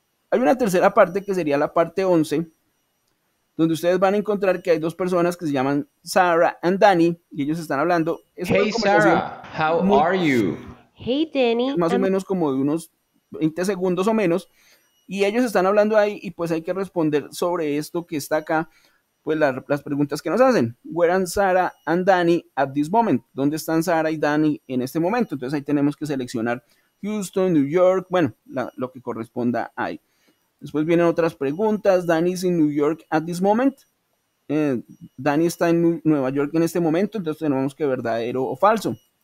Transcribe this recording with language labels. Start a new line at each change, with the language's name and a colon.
Spanish: Hay una tercera parte que sería la parte 11, donde ustedes van a encontrar que hay dos personas que se llaman Sarah and Danny y ellos están hablando.
English: Es hey Sarah, how muy, are you? Hey Danny.
Spanish: Más o menos como de unos 20 segundos o menos, y ellos están hablando ahí y pues hay que responder sobre esto que está acá, pues las preguntas que nos hacen.
English: Where are Sarah and Danny at this moment?
Spanish: ¿Dónde están Sarah y Danny en este momento? Entonces ahí tenemos que seleccionar Houston, New York, bueno, lo que corresponda ahí. Después vienen otras preguntas.
English: Danny's in New York at this moment.
Spanish: Danny está en Nueva York en este momento, entonces tenemos que verdadero o falso.